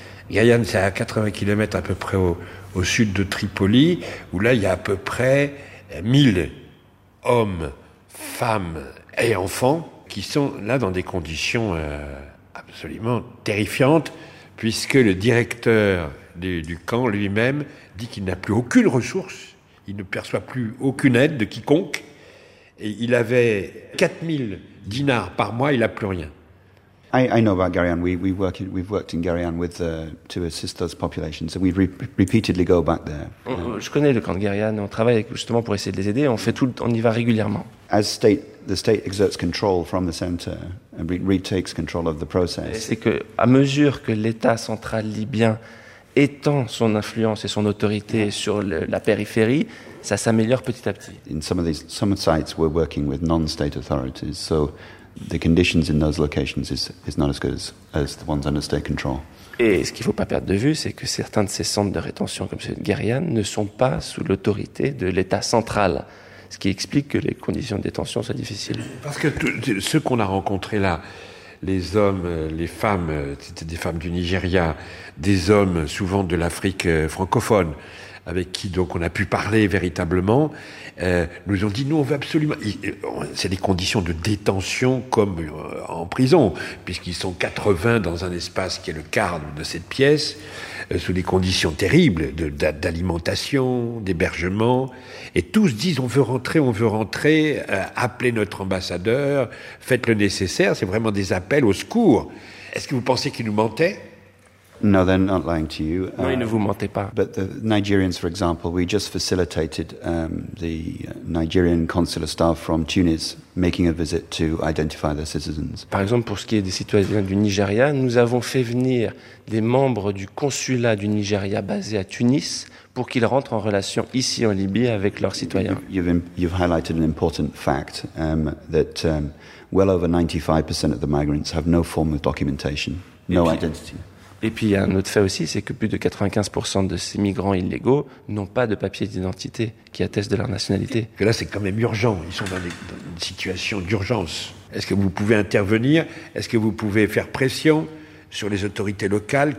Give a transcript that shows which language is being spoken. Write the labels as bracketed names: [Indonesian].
[French] Geryane, c'est à 80 km à peu près au sud de Tripoli, où là, il y a à peu près 1000 hommes, femmes et enfants qui sont là dans des conditions absolument terrifiantes, puisque le directeur du camp lui-même dit qu'il n'a plus aucune ressource, il ne perçoit plus aucune aide de quiconque. Et il avait 4000 dinars par mois, il n'a plus rien. [English] I know about Geryane. We've worked in Geryane with to assist those populations, and we repeatedly go back there. [French] Je connais le camp de Geryane. On travaille justement pour essayer de les aider. On y va régulièrement. [English] As the state exerts control from the center and retakes control of the process. [French] C'est que à mesure que l'État central libyen étend son influence et son autorité sur la périphérie, ça s'améliore petit à petit. [English] In some of these summer sites, we're working with non-state authorities, so the conditions in those locations is not as good as the ones under state control. [French] Et ce qu'il ne faut pas perdre de vue, c'est que certains de ces centres de rétention, comme celui de Guériane, ne sont pas sous l'autorité de l'État central, ce qui explique que les conditions de détention soient difficiles. Parce que ceux qu'on a rencontrés là, les hommes, les femmes, c'était des femmes du Nigeria, des hommes souvent de l'Afrique francophone, avec qui donc on a pu parler véritablement, nous ont dit, nous on veut absolument... C'est des conditions de détention comme en prison, puisqu'ils sont 80 dans un espace qui est le quart de cette pièce, sous des conditions terribles d'alimentation, d'hébergement, et tous disent, on veut rentrer, appelez notre ambassadeur, faites le nécessaire, c'est vraiment des appels au secours. Est-ce que vous pensez qu'ils nous mentaient? [English] No, they're not lying to you. [French] Non, ils ne vous mentaient pas. [English] But the Nigerians, for example, we just facilitated the Nigerian consular staff from Tunis making a visit to identify their citizens. [French] Par exemple, pour ce qui est des citoyens du Nigeria, nous avons fait venir des membres du consulat du Nigeria basé à Tunis pour qu'ils rentrent en relation ici en Libye avec leurs citoyens. [English] You've highlighted an important fact that well over 95% of the migrants have no form of documentation, no identity. [French] Et puis, il y a un autre fait aussi, c'est que plus de 95% de ces migrants illégaux n'ont pas de papier d'identité qui attestent de leur nationalité. Et là, c'est quand même urgent. Ils sont dans une situation d'urgence. Est-ce que vous pouvez intervenir? Est-ce que vous pouvez faire pression sur les autorités locales?